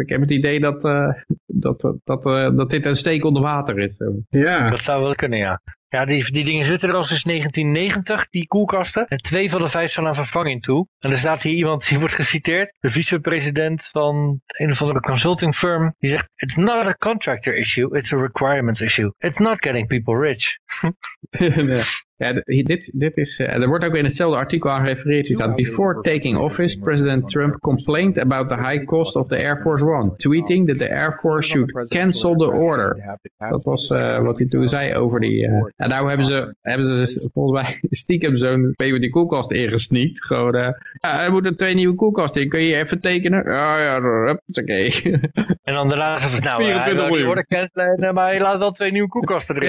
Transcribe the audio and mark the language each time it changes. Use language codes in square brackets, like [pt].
[nl] Ik heb het idee dat dit een steek onder water is. Ja. Dat zou wel kunnen, ja. Ja, die dingen zitten er al sinds 1990, die koelkasten. En twee van de vijf zijn aan vervanging toe. En er staat hier iemand, die wordt geciteerd. De vicepresident van een of andere consulting firm. Die zegt, [en] it's not a contractor issue, it's a requirements issue. It's not getting people rich. [nl] Ja, dit is, er wordt ook in hetzelfde artikel aan gerefereerd. [en] Before taking office, President Trump complained about the high cost of the Air Force One, tweeting that the Air Force should cancel the order. [nl] Dat was wat hij toen zei over die... En nou hebben ze volgens mij stiekem zo'n PWD koelkast ingesneakt. Gewoon, er moeten twee nieuwe koelkasten in. Kun je even tekenen? Oh ja, dat is oké. En dan daarna ze van, nou, 24 miljoen. Die worden cancelen, maar hij laat wel twee nieuwe koelkasten erin.